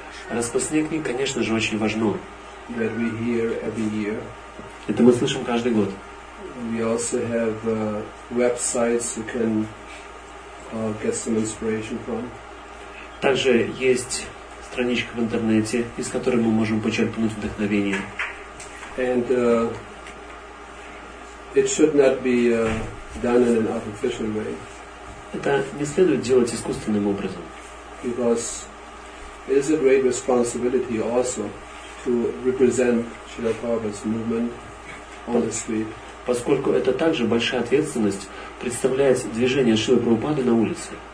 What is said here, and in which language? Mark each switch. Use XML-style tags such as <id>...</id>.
<ru>Распространение книг, конечно же, очень важно. Это мы слышим каждый год.</ru> <en>We also have websites you can get some inspiration from.</en> <ru>Также есть страничка в интернете, из которой мы можем почерпнуть вдохновение.</ru> <en>And it should not be done in an artificial way.</en> <ru>Это не следует делать искусственным образом.</ru> <en>Because it is a great responsibility also to represent Srila Prabhupada's movement on the street.</en> <ru>Поскольку это также большая ответственность представлять движение Шрилы Прабхупады на улице.</ru>